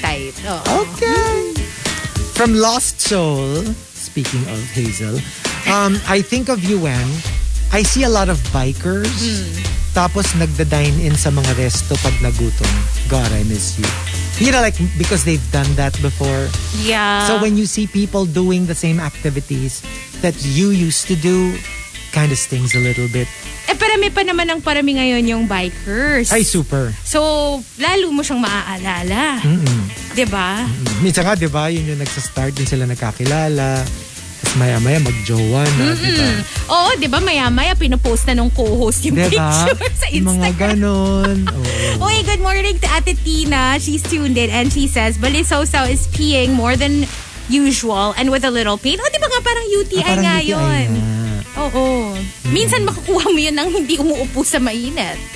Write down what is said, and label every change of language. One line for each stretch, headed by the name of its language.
English: tight. Okay. From Lost Soul, speaking of Hazel, I think of you when I see a lot of bikers
Filipino: tapos nagda-dine-in sa mga resto pag nagutom.
English: God, I miss you. You know, like, because they've done that before. Yeah. So when you see people doing the same activities that you used to do, kind of stings a little bit.
Filipino: Eh, parami pa naman ang parami ngayon yung bikers. Ay, super. So, lalo mo siyang maaalala. Mm-mm. Diba? Mm-mm. Minsan nga, diba, yun yung nagsastart, yun sila nakakilala. Tapos maya-maya, mag-jowa na, diba? Oo, diba, maya-maya, pinupost na nung co-host yung diba? Picture sa Instagram. Mga ganon.
English: Oh. Okay, good morning to Ate Tina. She's tuned in and she says, Balisaw-saw is peeing more than usual and with a little pain.
Filipino: Oh, diba nga, parang UTI parang nga UTI yun. Na. Oo. Mm-hmm. Minsan makukuha mo yun nang hindi umuupo sa mainit.